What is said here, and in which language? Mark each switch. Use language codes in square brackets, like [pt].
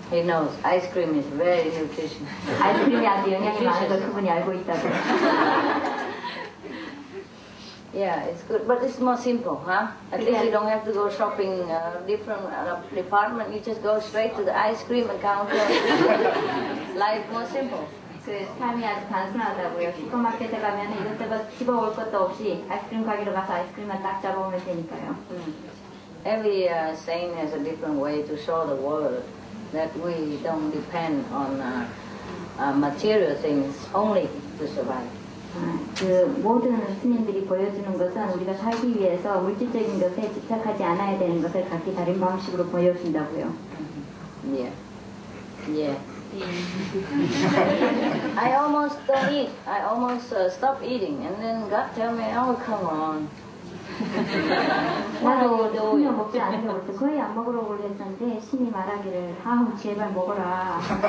[en] He knows, ice cream is very nutritious. Ice cream is very nutritious. Yeah, it's good, but it's more simple, huh? At least you don't have to go shopping different department. You just go straight to the ice cream counter. Life more simple. [ko] 그 삶이 아주 단순하다고요. 슈퍼마켓에 가면 이것저것 집어 올 것도 없이 아이스크림 가게로 가서 아이스크림만 딱 잡아오면 되니까요. [en] Every saint has a different way to show the world that we don't depend on material things only to survive. [ko] 그 모든 스님들이 보여주는 것은 우리가 살기 위해서 물질적인 것에 집착하지 않아야 되는 것을 각기 다른 방식으로 보여준다고요. [en] Yeah. Yeah. I almost don't eat. I almost stop eating. And then God tell me, oh, come on. [ko] 나도 신이 먹지 않으려고 그랬어. 거의 안 먹으려고 그랬는데 신이 말하기를 아 제발 먹어라.